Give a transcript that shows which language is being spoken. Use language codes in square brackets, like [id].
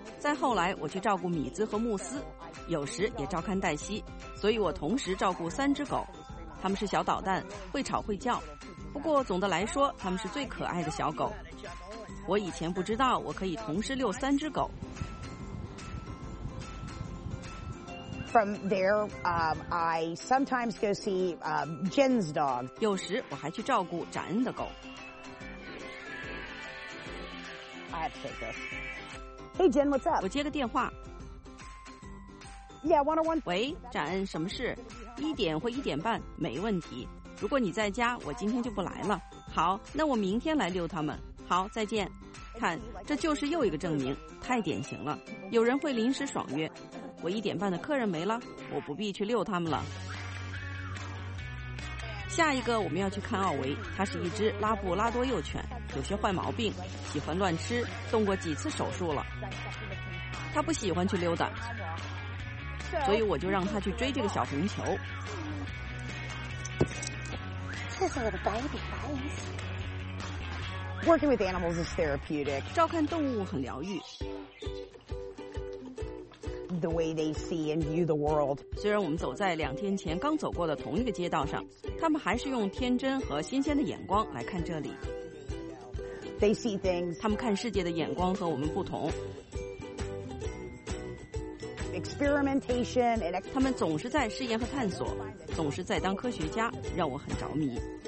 [zh] 再后来，我去照顾米兹和穆斯，有时也照看黛西，所以我同时照顾3只狗。他们是小捣蛋，会吵会叫，不过总的来说，他们是最可爱的小狗。我以前不知道我可以同时遛3只狗。 [en] From there, I sometimes go see Jen's dog. [zh] 有时我还去照顾展恩的狗。 [en] I have to take this. Hey, Jen, what's up? [zh] 我接个电话。 [en] Yeah, 101. [zh] 喂，展恩，什么事？1点或1点半，没问题。如果你在家，我今天就不来了。好，那我明天来遛他们。好，再见。看，这就是又一个证明，太典型了。有人会临时爽约，我1点半的客人没了，我不必去遛他们了。下一个我们要去看奥维，他是一只拉布拉多幼犬。有些坏毛病，喜欢乱吃，动过几次手术了。他不喜欢去溜达，所以我就让他去追这个小红球。 [en] Working with animals is therapeutic. [zh] 照看动物很疗愈。 [en] The way they see and view the world. [zh] 虽然我们走在2天前刚走过的同一个街道上，他们还是用天真和新鲜的眼光来看这里。 [en] They see things. [zh] 他们看世界的眼光和我们不同。 [en] Experimentation. [zh] 他们总是在试验和探索，总是在当科学家，让我很着迷。